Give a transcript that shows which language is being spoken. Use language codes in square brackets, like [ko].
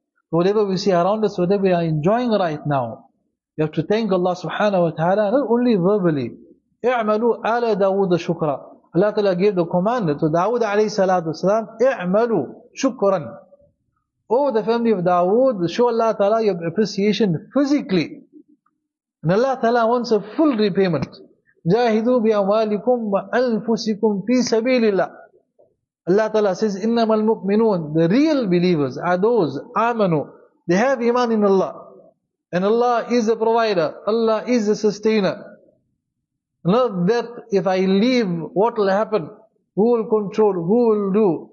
[en] Whatever we see around us, whatever we are enjoying right now, we have to thank Allah subhanahu wa ta'ala, not only verbally. [ar] اعملوا آل داود شكرا. [en] Allah ta'ala gave the command to Dawood alayhi salatu salam, [ar] اعملوا شكرا. [en] Oh, the family of Dawood, show Allah ta'ala your appreciation physically. And Allah ta'ala wants a full repayment. [ar] جاهدوا بأموالكم وأنفسكم في سبيل الله. [en] Allah Ta'ala says, [ar] إِنَّمَا الْمُؤْمِنُونَ. [en] The real believers are those, آمَنُوا. They have iman in Allah. And Allah is the provider. Allah is the sustainer. Not that if I leave, what will happen? Who will control? Who will do?